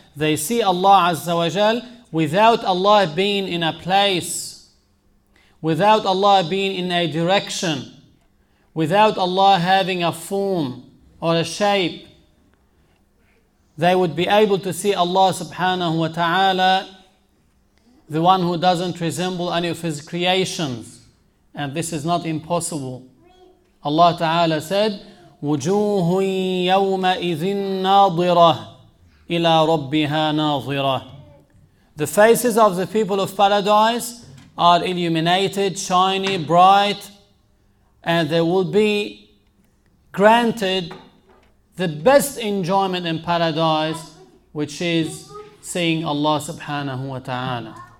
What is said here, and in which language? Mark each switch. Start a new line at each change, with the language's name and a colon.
English: They see Allah azza wa jal without Allah being in a place, without Allah being in a direction, without Allah having a form or a shape. They would be able to see Allah subhanahu wa ta'ala, the one who doesn't resemble any of His creations. And this is not impossible. Allah ta'ala said,
Arabic: وجوه يومئذ ناظرة إلى ربها ناظرة.
English: The faces of the people of paradise are illuminated, shiny, bright, and they will be granted the best enjoyment in paradise, which is seeing Allah subhanahu wa ta'ala.